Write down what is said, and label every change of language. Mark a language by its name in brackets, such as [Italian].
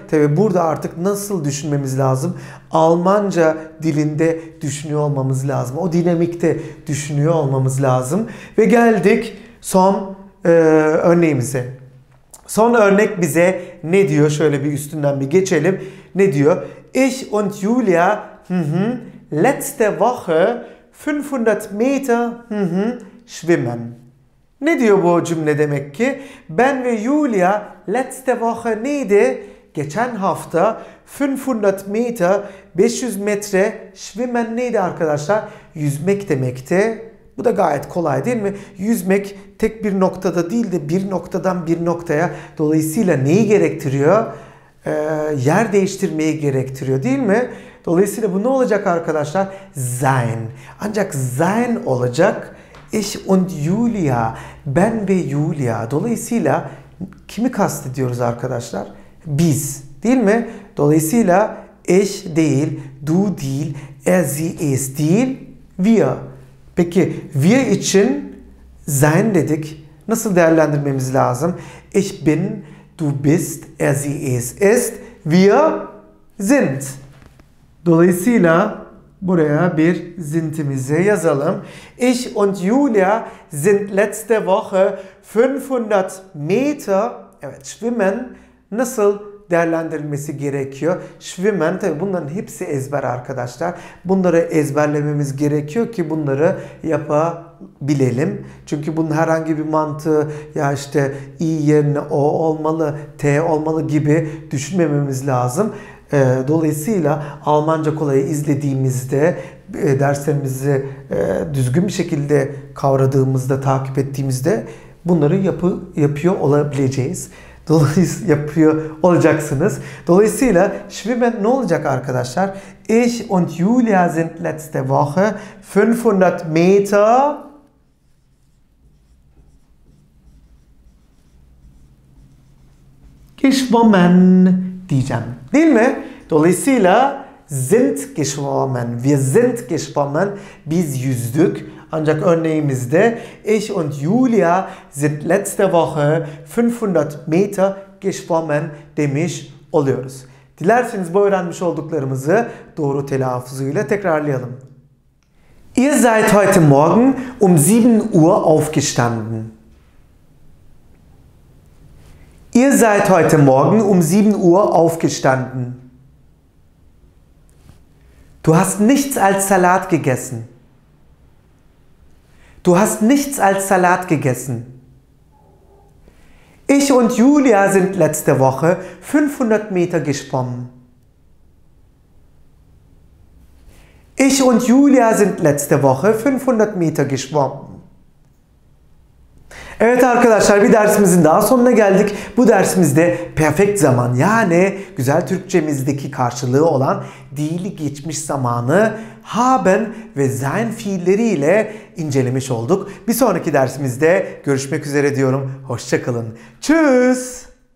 [Turkish] Tabi burada artık nasıl düşünmemiz lazım? Almanca dilinde düşünüyor olmamız lazım. O dinamikte düşünüyor olmamız lazım. Ve geldik son örneğimize. Son örnek bize ne diyor? Şöyle bir üstünden bir geçelim. Ne diyor? [German] Ich und Julia letzte Woche 500 Meter schwimmen. [Turkish] Ne diyor bu cümle demek ki? Ben ve Julia [German] letzte Woche [Turkish] neydi? Geçen hafta 500 Meter 500 metre schwimmen neydi arkadaşlar? Yüzmek demekti. Bu da gayet kolay değil mi? Yüzmek tek bir noktada değil de bir noktadan bir noktaya. Dolayısıyla neyi gerektiriyor? Yer değiştirmeyi gerektiriyor değil mi? Dolayısıyla bu ne olacak arkadaşlar? [German] Sein. [Turkish] Ancak sein olacak. [German] Ich und Julia. [Turkish] Ben ve Julia. Dolayısıyla kimi kastediyoruz arkadaşlar? Biz. Değil mi? Dolayısıyla ich değil, du değil, er, sie, es değil, wir. Peki wir için sein dedik. Nasıl değerlendirmemiz lazım? [German] Ich bin, du bist, er, sie, es ist, wir sind. [Turkish] Dolayısıyla buraya bir sintimizi yazalım. [German] Ich und Julia sind letzte Woche 500 Meter. [Turkish] Evet, schwimmen nasıl değerlendirilmesi gerekiyor? Schwimmen, tabii bunların hepsi ezber arkadaşlar. Bunları ezberlememiz gerekiyor ki bunları yapabilelim. Çünkü bunun herhangi bir mantığı ya işte i yerine o olmalı, t olmalı gibi düşünmememiz lazım. Dolayısıyla Almanca kolayı izlediğimizde, derslerimizi düzgün bir şekilde kavradığımızda, takip ettiğimizde bunları yapıyor olabileceğiz. Dolayısıyla yapıyor olacaksınız. Dolayısıyla schwimmen ne olacak arkadaşlar? [German] Ich und Julia sind letzte Woche 500 Meter geschwommen [Turkish] diyeceğim. Değil mi? Dolayısıyla sind geschwommen. [German] Wir sind geschwommen. [Turkish] Biz yüzdük. Ancak örneğimizde [German] ich und Julia sind letzte Woche 500 Meter geschwommen [Turkish] demiş oluyoruz. Dilerseniz bu öğrenmiş olduklarımızı doğru telaffuzuyla tekrarlayalım. [German] Ihr seid heute Morgen 7 Uhr aufgestanden. Ihr seid heute Morgen 7 Uhr aufgestanden. Du hast nichts als Salat gegessen. Du hast nichts als Salat gegessen. Ich und Julia sind letzte Woche 500 Meter geschwommen. Ich und Julia sind letzte Woche 500 Meter geschwommen. [Turkish] Evet arkadaşlar, bir dersimizin daha sonuna geldik. Bu dersimizde perfect zaman, yani güzel Türkçemizdeki karşılığı olan değil geçmiş zamanı, haben ve sein fiilleri ile incelemiş olduk. Bir sonraki dersimizde görüşmek üzere diyorum. Hoşça kalın. Tschüss.